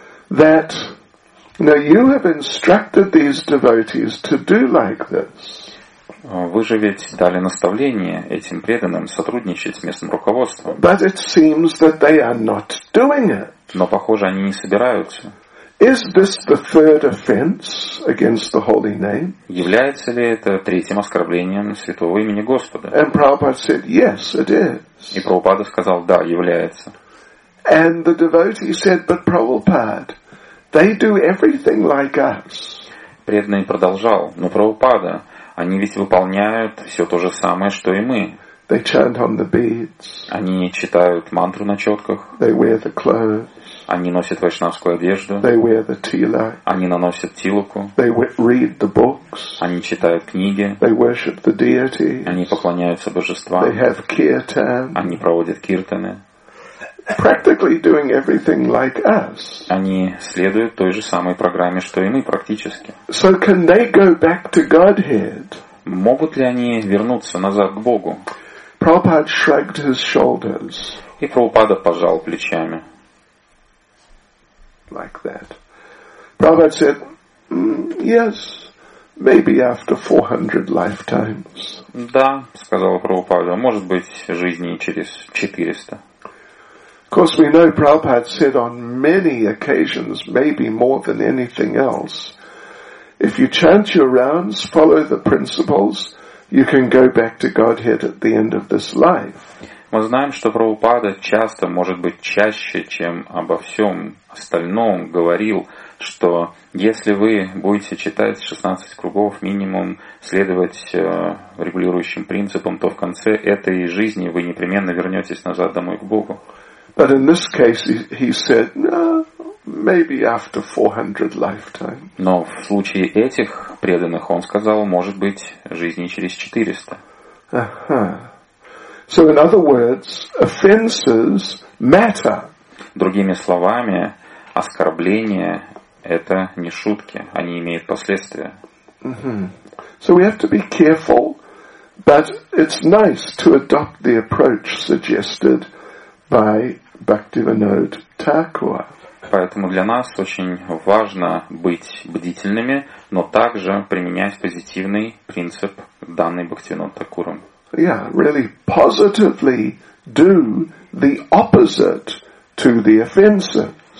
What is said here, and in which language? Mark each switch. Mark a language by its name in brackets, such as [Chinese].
[English] That now you have instructed these devotees to do like this. [Russian] Вы же ведь дали наставление этим преданным сотрудничать с местным руководством. [English] But it seems that they are not doing it. [Russian] Но похоже, они не собираются. [English] Is this the third offense against the holy name? [Russian] Является ли это третьим оскорблением святого имени Господа? [English] And Prabhupada said, yes, it is. [Russian] И Прабхупада сказал, да, является. [English] And the devotee said, but Prabhupada, they do everything like us. [Russian] Преданный продолжал, но Прабхупада, они ведь выполняют все то же самое, что и мы. [English] They chant on the beads. [Russian] Они читают мантру на четках. [English] They wear the clothes. [Russian] Они носят вайшнавскую одежду. [English] They wear the tilak. [Russian] Они наносят тилаку. [English] They read the books. [Russian] Они читают книги. [English] They worship the deities. [Russian] Они поклоняются божествам. [English] They have kirtan. [Russian] Они проводят киртаны. [English] Practically doing everything like us. [Russian] Они следуют той же самой программе, что и мы практически. [English] So can they go back to Godhead? [Russian] Могут ли они вернуться назад к Богу? [English] Prabhupada shrugged his shoulders. [Russian] И Прабхупада пожал плечами. [English] Like that. Prabhupada said, yes, maybe after 400 lifetimes. [Russian] Да, сказал Прабхупада, может быть, жизни через 400. [English] Of course, we know Prabhupada said on many occasions, maybe more than anything else, if you chant your rounds, follow the principles, you can go back to Godhead at the end of this life. [Russian] Мы знаем, что Прабхупада часто, может быть, чаще, чем обо всем остальном, говорил, что если вы будете читать 16 кругов минимум, следовать регулирующим принципам, то в конце этой жизни вы непременно вернетесь назад домой к Богу. [English] But in this case he said, no, maybe after 400 lifetimes. [Russian] Но в случае этих преданных он сказал, может быть, жизни через 400. [English] So in other words, offenses matter. [Russian] Другими словами, оскорбления — это не шутки, они имеют последствия. [English] So we have to be careful, but it's nice to adopt the approach suggested by Bhaktivinoda Thakur. [Russian] Поэтому для нас очень важно быть бдительными, но также применять позитивный принцип, данный Бхактивинодой Такуром. [English] Yeah, really positively do the opposite to the offenses.